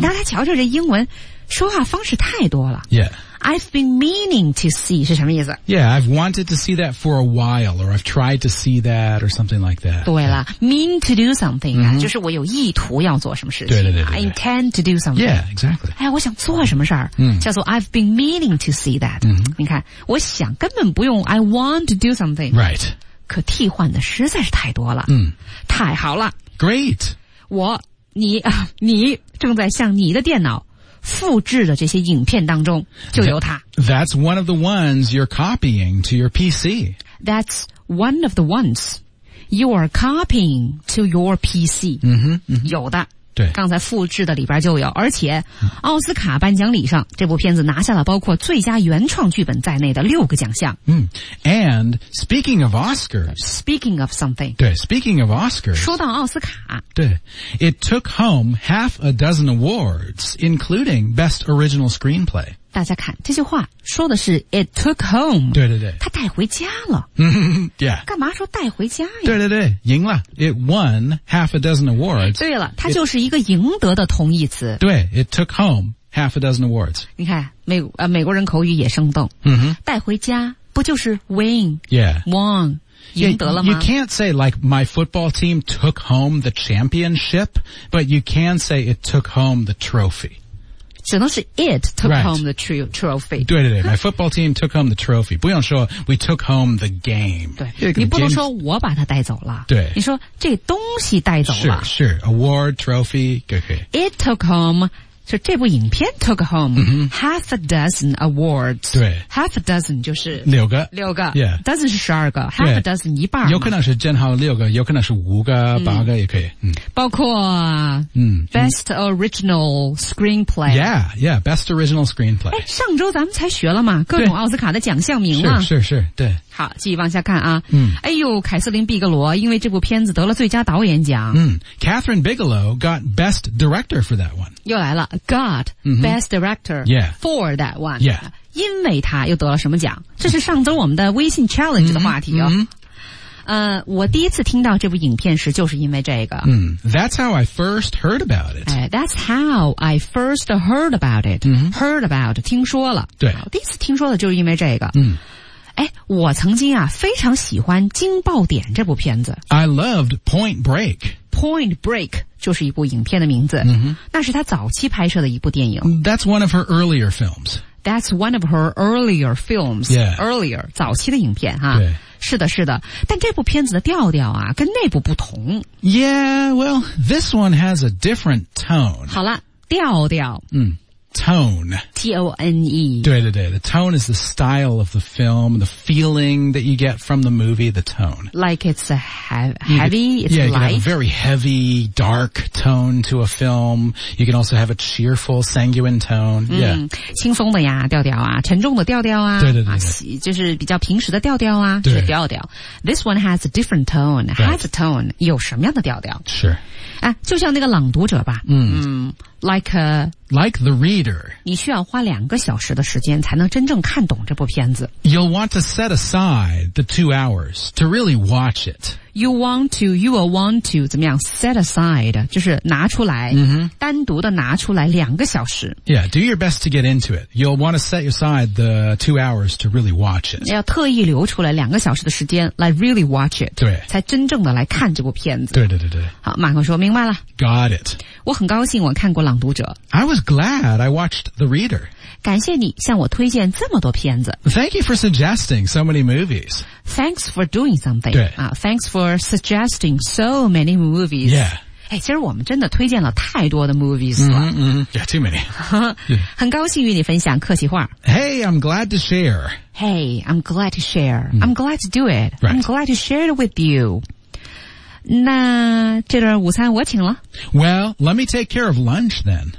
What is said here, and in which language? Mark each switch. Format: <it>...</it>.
<zh>大家瞧瞧这英文说话方式太多了</zh> <en>Yeah. I've been meaning to see</en> <zh>是什么意思</zh> <en>Yeah, I've wanted to see that for a while or I've tried to see that or something like that</en> <zh>对了、</zh> <en>mean to do something、mm-hmm.</en> <zh>就是我有意图要做什么事情对</zh> <en>I intend to do something Yeah, exactly</en> <zh>哎，我想做什么事儿、叫做</zh> <en>I've been meaning to see that、 mm-hmm.</en> <zh>你看我想根本不用</zh> <en>I want to do something Right</en> <zh>可替换的实在是太多了、太好了</zh> <en>Great</en> <zh>我你正在向你的电脑复制的这些影片当中就有它</zh> <en>That's one of the ones you're copying to your PC That's one of the ones you're copying to your PC</en> <zh>有的对刚才复制的里边就有而且奥斯卡颁奖礼上这部片子拿下了包括最佳原创剧本在内的六个奖项、</zh> <en>And speaking of Oscars Speaking of something 对 Speaking of Oscars</en> <zh>说到奥斯卡</zh> <en>对 It took home half a dozen awards including Best Original Screenplay</en> <zh>大家看这句话说的是</zh> <en>It took home</en> <zh>对他带回家了</zh> <en>Yeah</en> <zh>干嘛说带回家呀对赢了</zh> <en>It won half a dozen awards</en> <zh>对了他就是一个赢得的同义词</zh> <en>对 It took home half a dozen awards</en> <zh>你看美国人口语也生动、带回家不就是 win</zh> <en>Yeah won You can't say like my football team took home the championship, but you can say it took home the trophy.</en> <zh>只能是</zh> <en>it took、right. home the trophy. 对 my football team took home the trophy.</en> <zh>不用说</zh> <en>we took home the game.</en> <zh>对你不能说我把它带走了。对你说这东西带走了。</zh> <en>是 award, trophy, okay. It took home,</en> <zh>就这部影片</zh> <en>took home、half a dozen awards.</en> <zh>对</zh> <en>half a dozen</en> <zh>就是六个 yeah dozen 是十二个 half a dozen 一半有可能是正好六个有可能是五个八个也可以包括best original screenplay</zh> <en>yeah best original screenplay</en> <zh>上周咱们才学了嘛各种奥斯卡的奖项名嘛是对好继续往下看啊哎呦凯瑟琳·毕格罗因为这部片子得了最佳导演奖</zh> <en>Catherine Bigelow got best director for that one</en> <zh>又来了</zh> <en>got best director for that one yeah</en> <zh>因为他又得了什么奖这是上周我们的微信 challenge 的话题哦我第一次听到这部影片时就是因为这个。</zh> <en>That's how I first heard about it. That's how I first heard about it. Heard about,</en> <zh>听说了。对。第一次听说的就是因为这个。我曾经啊非常喜欢惊爆点这部片子。</zh> <en>I loved Point Break.</en> <zh>Point Break 就是一部影片的名字。那是他早期拍摄的一部电影。</zh> <en>That's one of her earlier films. That's one of her earlier films. Yeah.</en> <zh>Earlier, 早期的影片啊。对。是的，是的，但这部片子的调调啊，跟那部不同。</zh> <en>Yeah, well, this one has a different tone.</en> <zh>好了，调调。</zh> <en>嗯。Tone. T-O-N-E. 对对对 The tone is the style of the film, the feeling that you get from the movie, the tone. Like it's a heavy, it's yeah, light. Yeah, you can have a very heavy, dark tone to a film. You can also have a cheerful, sanguine tone. Yeah.</en> <zh>轻松的呀调调啊沉重的调调啊对对 对, 对、啊、就是比较平时的调调啊对是调调。</zh> <en>This one has a different tone,、 right. has a tone,</en> <zh>有什么样的调调</zh> <en>Sure.</en> <zh>啊、就像那个朗读者吧</zh> <en>Like the reader</en> <zh>你需要花两个小时的时间才能真正看懂这部片子</zh> <en>You'll want to set aside the 2 hours to really watch it You will want to</en> <zh>怎么样</zh> <en>set aside</en> <zh>就是拿出来、 mm-hmm. 单独的拿出来两个小时 Yeah, do your best to get into it You'll want to set aside the 2 hours to really watch it 要特意留出来两个小时的时间来</zh> <en>really watch it</en> <zh>对才真正的来看这部片子对对对对好马克说明白了</zh> <en>Got it</en> <zh>我很高兴我看过朗读者</zh> <en>I was glad I watched The Reader</en> <zh>感谢你向我推荐这么多片子</zh> <en>Thank you for suggesting so many movies Thanks for doing something.</en> <zh>对、</zh> <en>Thanks for suggesting so many movies. Yeah.</en> <zh>其实我们真的推荐了太多的 movies 了。</zh> <en>Mm-hmm, mm-hmm. Yeah, too many.</en> <zh>很高兴与你分享客气话。</zh> <en>Hey, I'm glad to share. Hey, I'm glad to share.、Mm. I'm glad to do it.、 Right. I'm glad to share it with you.</en> <zh>那这顿午餐我请了。</zh> <en>Well, let me take care of lunch then.</en>